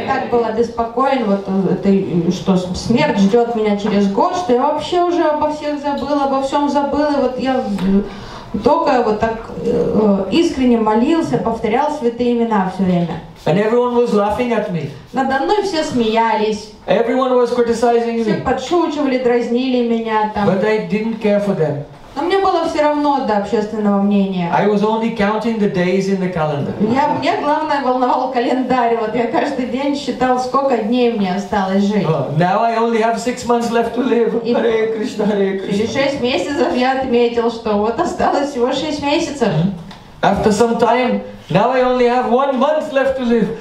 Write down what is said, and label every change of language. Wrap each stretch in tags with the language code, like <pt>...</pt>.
<ru>Был обеспокоен, вот это, что смерть ждет меня через год, что я вообще уже обо всех забыл, обо всем забыл, и вот я только вот так искренне молился, повторял святые имена все время.</ru> <en>And everyone was laughing at me.</en> <ru>Надо мной все смеялись.</ru> <en>Everyone was criticizing me.</en> <ru>Все подшучивали, дразнили меня там.</ru> <en>But I didn't care for them.</en> <ru>Но мне было все равно до общественного мнения.</ru> <en>I was only counting the days in the calendar.</en> <ru>Я главное волновал календарь. Вот я каждый день считал, сколько дней мне осталось жить.</ru> <en>Oh, now I only have 6 months left to live. И Hare Krishna, Hare Krishna.</en> <ru>Через 6 месяцев я отметил, что вот осталось всего 6 месяцев.</ru> <en>After some time, now I only have 1 month left to live.</en>